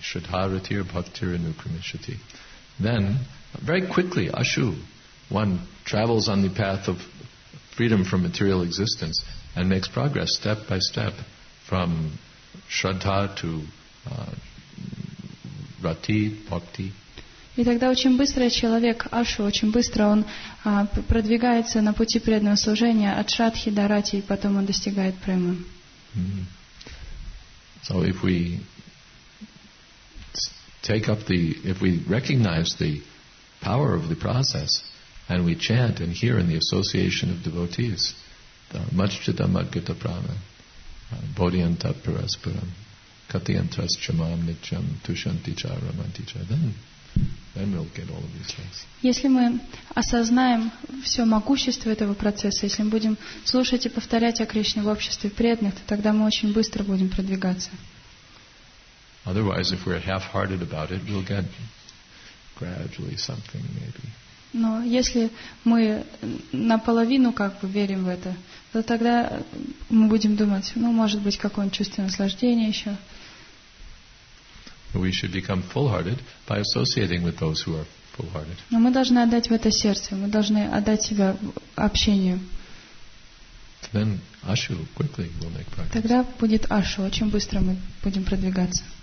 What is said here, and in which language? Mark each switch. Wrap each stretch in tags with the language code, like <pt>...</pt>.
<en>Then, very quickly, ashu, one travels on the path of freedom from material existence and makes progress step by step from shraddha to rati, bhakti.</en> <ru>И тогда очень быстро человек, ашу, очень быстро он продвигается на пути преданного служения от шрадхи до рати, и потом он достигает премы.</ru> <en>So if we take up the, if we recognize the power of the process, and we chant and hear in the association of devotees,</en> <sa>Machchita Madgita Prana, Bodhyanta Parasparam, Katiyantras Chamam Nityam, Tushanti Charamanti Char,</sa> <en>then we'll get all of these things.</en> <ru>Если мы осознаем все могущество этого процесса, если мы будем слушать и повторять о Кришне в обществе преданных, то тогда мы очень быстро будем продвигаться.</ru> <en>Otherwise, if we're half-hearted about it, we'll get gradually something, maybe.</en> <ru>Но если мы наполовину как бы верим в это, то тогда мы будем думать, ну, может быть, какое-нибудь чувство наслаждения еще.</ru> <en>We should become full-hearted by associating with those who are full-hearted.</en> <ru>Но мы должны отдать в это сердце, мы должны отдать себя общению.</ru> <en>Then ashu quickly will make progress.</en> <ru>Тогда будет ашу, очень быстро мы будем продвигаться.</ru>